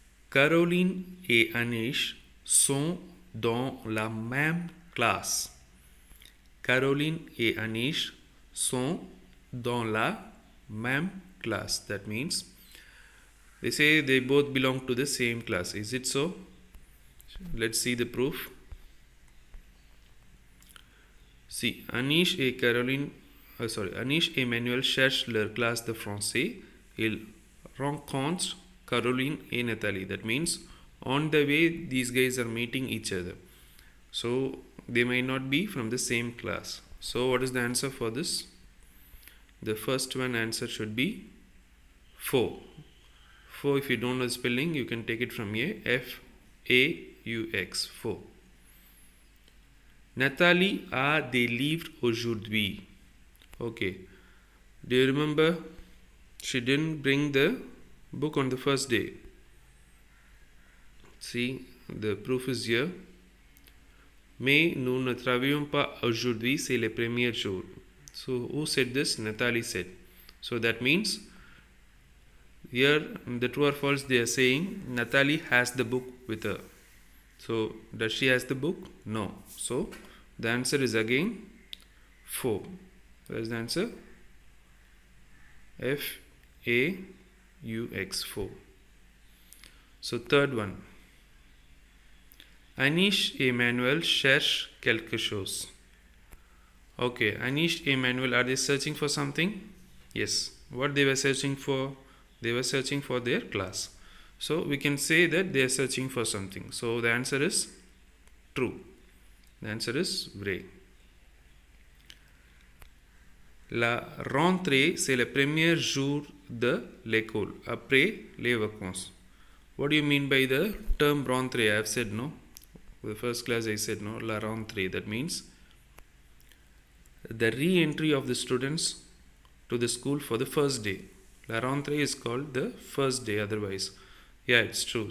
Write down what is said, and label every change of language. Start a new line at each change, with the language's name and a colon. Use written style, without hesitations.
French: Caroline et Anish sont dans la même classe. Caroline et Anish sont dans la même classe.
English: That means they say they both belong to the same class. Is it so? Let's see the proof.
French: See, Anish et Caroline, Anish et Manuel cherchent leur classe de français. Ils rencontrent Caroline et Nathalie.
English: That means on the way these guys are meeting each other. So they may not be from the same class. So what is the answer for this? The first one answer should be faux. Faux, if you don't know the spelling, you can take it from here.
French: F-A-U-X, faux. Nathalie a des livres aujourd'hui.
English: Okay. Do you remember? She didn't bring the book on the first day. See, the proof is here.
French: Mais nous ne travaillons pas aujourd'hui, c'est le premier jour.
English: So who said this? Nathalie said. So that means here in the true or false, they are saying Nathalie has the book with her. So does she has the book? No. So the answer is again faux. Where's the answer? F-A-U-X, faux. So third one.
French: Anish et Manuel cherchent quelque chose.
English: Okay, Anish et Manuel, are they searching for something? Yes. What they were searching for? They were searching for their class. So we can say that they are searching for something. So the answer is true. The answer is vrai.
French: La rentrée, c'est le premier jour de l'école, après les vacances.
English: What do you mean by the term rentrée? I have said no. The first class I said no. La rentrée, that means the re-entry of the students to the school for the first day. La rentrée is called the first day otherwise. Yeah, it's true.